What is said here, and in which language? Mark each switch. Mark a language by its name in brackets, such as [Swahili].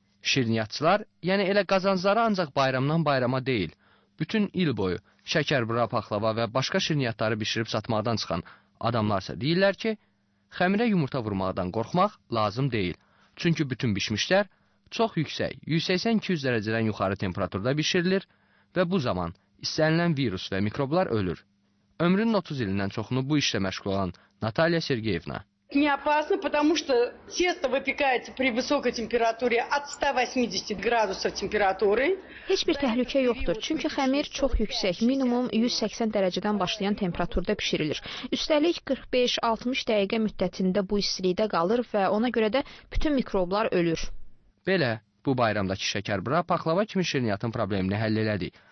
[Azerbaijani] Şirniyyatçılar, yəni elə qazancları ancaq bayramdan bayrama deyil, bütün il boyu şəkərbura, paxlava və başqa şirniyyatları bişirib satmaqdan çıxan adamlarsa deyirlər ki, xəmirə yumurta vurmaqdan qorxmaq lazım deyil. Çünki bütün bişmişlər çox yüksək, 180-200 dərəcədən yuxarı temperaturda bişirilir və bu zaman istənilən virus və mikroblar ölür. Ömrünün 30 ilindən çoxunu bu işlə məşğul olan Natalya Sergeyevna. [Russian] Не опасно, потому что тесто выпекается при высокой температуре от 180 градусов температуры. [Azerbaijani] Heç bir təhlükə yoxdur, çünki xəmir çox yüksək, minimum 180 dərəcədən başlayan temperaturda bişirilir. Üstəlik 45-60 dəqiqə müddətində bu istilikdə qalır və ona görə də bütün mikroblar ölür. Belə, bu bayramdakı şəkərbura paxlava kimi şirniyyatın problemini həll elədi.